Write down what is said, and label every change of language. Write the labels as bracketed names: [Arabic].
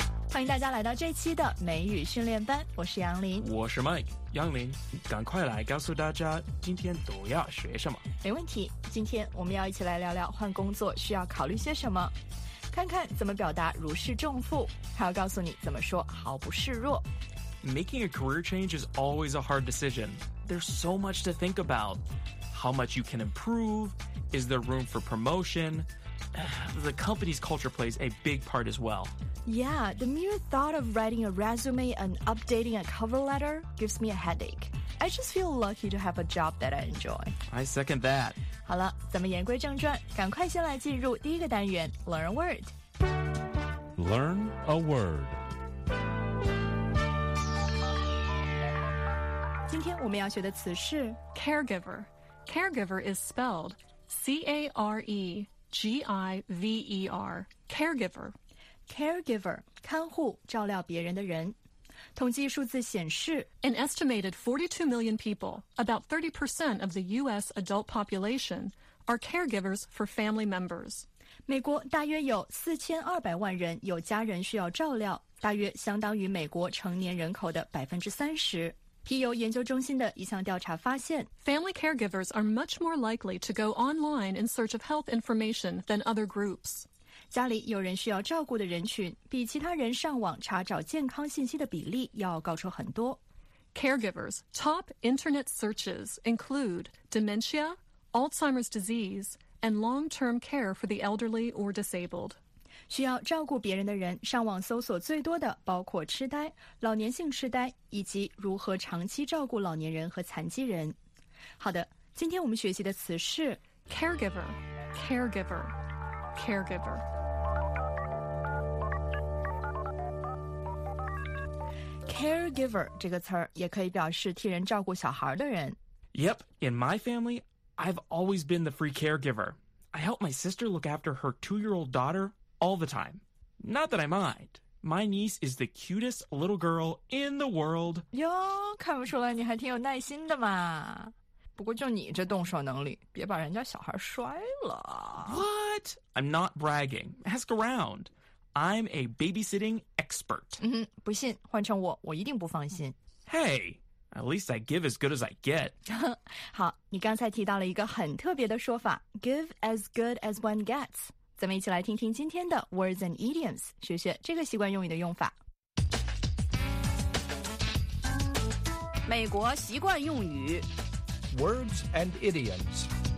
[Chinese] 欢迎大家来到这期的美语训练班，我是杨林，我是 Mike。杨林，赶快来告诉大家今天都要学什么。没问题，今天我们要一起来聊聊换工作需要考虑些什么，看看怎么表达如释重负，还要告诉你怎么说毫不示弱。 [English] Making a career change is always a hard decision. There's so much to think about. How much you can improve? Is there room for promotion? The company's culture plays a big part as well. Yeah, the mere thought of writing a resume and updating a cover letter gives me a headache. I just feel lucky to have a job that I enjoy. I second that. [Chinese] 好了，咱们言归正传，赶快先来进入第一个单元 Learn a Word. [English] Learn a Word. [Chinese] 今天我们要学的词是 [English] caregiver. Caregiver is spelled C-A-R-E-G-I-V-E-R. Caregiver. [Chinese] Caregiver, 看护，照料别人的人。统计数字显示 [English] An estimated 42 million people, about 30% of the U.S. adult population, are caregivers for family members. [Chinese] 美国大约有4200万人有家人需要照料，大约相当于美国成年人口的 30%。皮尤研究中心的一项调查发现 [English] Family caregivers are much more likely to go online in search of health information than other groups. [Chinese] 家里有人需要照顾的人群比其他人上网查找健康信息的比例要高出很多。 [English] Caregivers, top internet searches include dementia, Alzheimer's disease, and long-term care for the elderly or disabled. [Chinese] 需要照顾别人的人上网搜索最多的包括痴呆、老年性痴呆以及如何长期照顾老年人和残疾人。好的，今天我们学习的词是 [English] caregiver, caregiver, caregiver. [Chinese] Caregiver 这个词儿也可以表示替人照顾小孩的人。 [English] Yep, in my family, I've always been the free caregiver. I helped my sister look after her two-year-old daughter. All the time. Not that I mind. My niece is the cutest little girl in the world. [Chinese] 哟，看不出来你还挺有耐心的嘛。不过就你这动手能力，别把人家小孩摔了。 [English] What? I'm not bragging. Ask around. I'm a babysitting expert. [Chinese] 嗯哼，不信，换成我，我一定不放心。 [English] Hey, at least I give as good as I get. [Chinese] 好，你刚才提到了一个很特别的说法 [English] give as good as one gets. [Chinese] 咱们一起来听听今天的 Words and Idioms, 学学这个习惯用语的用法。美国习惯用语 [English] Words and Idioms。